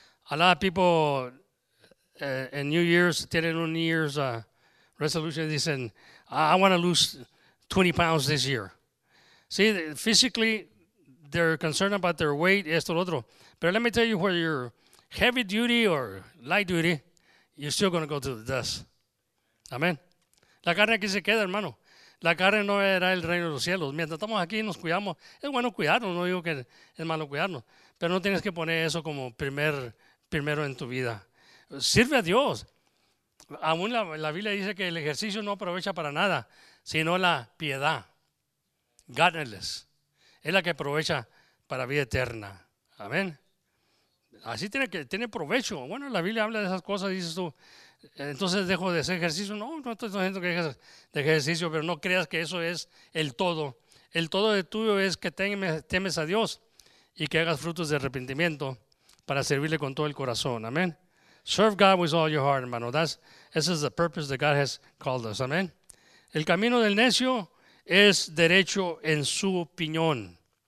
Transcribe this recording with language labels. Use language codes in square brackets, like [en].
[en] A lot of people in New Year's, [es] tienen un [en] New Year's resolution, they say, I want to lose 20 pounds this year. See, physically, they're concerned about their weight, [es] esto, lo otro. [en] But let me tell you, whether you're heavy duty or light duty, you're still going to go to the dust. [es] Amen. La carne aquí se queda, hermano. La carne no era el reino de los cielos. Mientras estamos aquí, nos cuidamos. Es bueno cuidarnos, no digo que es malo cuidarnos. Pero no tienes que poner eso como primero en tu vida. Sirve a Dios. Aún la Biblia dice que el ejercicio no aprovecha para nada, sino la piedad. Godliness es la que aprovecha para vida eterna. Amén. Así tiene provecho. Bueno, la Biblia habla de esas cosas, dices tú. Entonces dejo de hacer ejercicio. No estoy diciendo que dejes de ejercicio, pero no creas que eso es el todo. El todo de tuyo es que temes a Dios y que hagas frutos de arrepentimiento para servirle con todo el corazón. [en] Amén. Serve God with all your heart, hermano. This is the purpose that God has called us. [es] Amén. El camino del necio es derecho en su opinión.